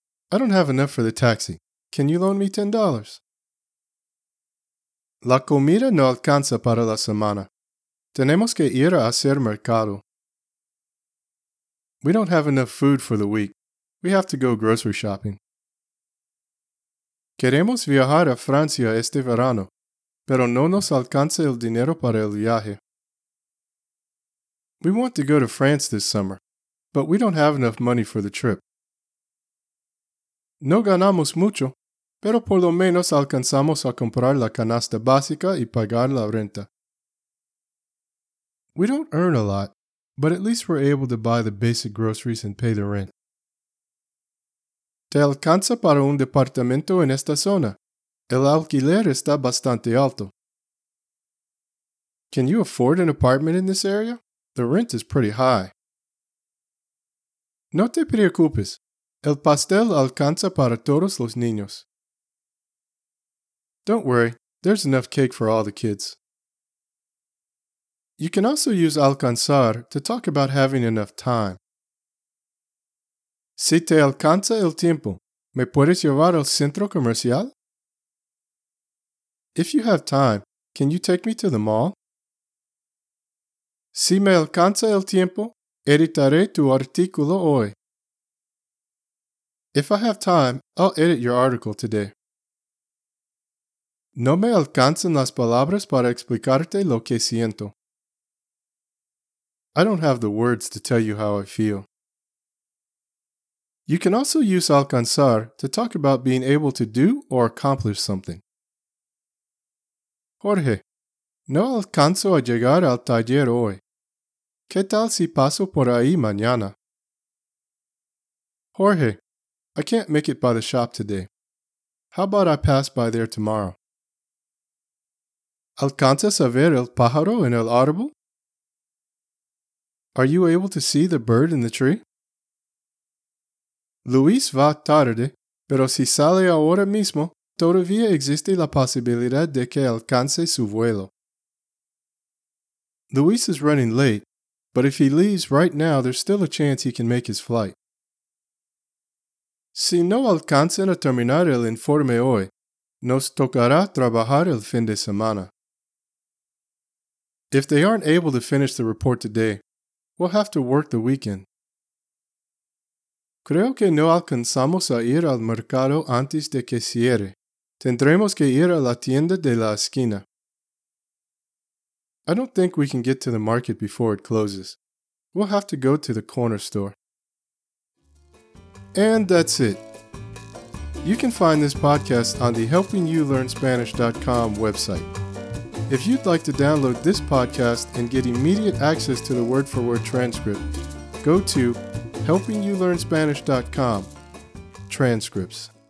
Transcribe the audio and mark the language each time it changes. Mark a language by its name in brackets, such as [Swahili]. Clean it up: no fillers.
[English] I don't have enough for the taxi. Can you loan me $10? [Spanish] La comida no alcanza para la semana. Tenemos que ir a hacer mercado. [English] We don't have enough food for the week. We have to go grocery shopping. [Spanish] Queremos viajar a Francia este verano, pero no nos alcanza el dinero para el viaje. [English] We want to go to France this summer, but we don't have enough money for the trip. [Spanish] No ganamos mucho, pero por lo menos alcanzamos a comprar la canasta básica y pagar la renta. [English] We don't earn a lot, but at least we're able to buy the basic groceries and pay the rent. [Spanish] ¿Te alcanza para un departamento en esta zona? El alquiler está bastante alto. [English] Can you afford an apartment in this area? The rent is pretty high. [Spanish] No te preocupes. El pastel alcanza para todos los niños. [English] Don't worry. There's enough cake for all the kids. You can also use alcanzar to talk about having enough time. [Spanish] Si te alcanza el tiempo, ¿me puedes llevar al centro comercial? [English] If you have time, can you take me to the mall? [Spanish] Si me alcanza el tiempo, editaré tu artículo hoy. [English] If I have time, I'll edit your article today. [Spanish] No me alcanzan las palabras para explicarte lo que siento. [English] I don't have the words to tell you how I feel. You can also use alcanzar to talk about being able to do or accomplish something. [Spanish] Jorge, no alcanzo a llegar al taller hoy. ¿Qué tal si paso por ahí mañana? [English] Jorge, I can't make it by the shop today. How about I pass by there tomorrow? [Spanish] ¿Alcanzas a ver el pájaro en el árbol? [English] Are you able to see the bird in the tree? [Spanish] Luis va tarde, pero si sale ahora mismo, todavía existe la posibilidad de que alcance su vuelo. [English] Luis is running late, but if he leaves right now, there's still a chance he can make his flight. [Spanish] Si no alcanzan a terminar el informe hoy, nos tocará trabajar el fin de semana. [English] If they aren't able to finish the report today, we'll have to work the weekend. [Spanish] Creo que no alcanzamos a ir al mercado antes de que cierre. Tendremos que ir a la tienda de la esquina. [English] I don't think we can get to the market before it closes. We'll have to go to the corner store. And that's it. You can find this podcast on the HelpingYouLearnSpanish.com website. If you'd like to download this podcast and get immediate access to the word-for-word transcript, go to HelpingYouLearnSpanish.com. Transcripts.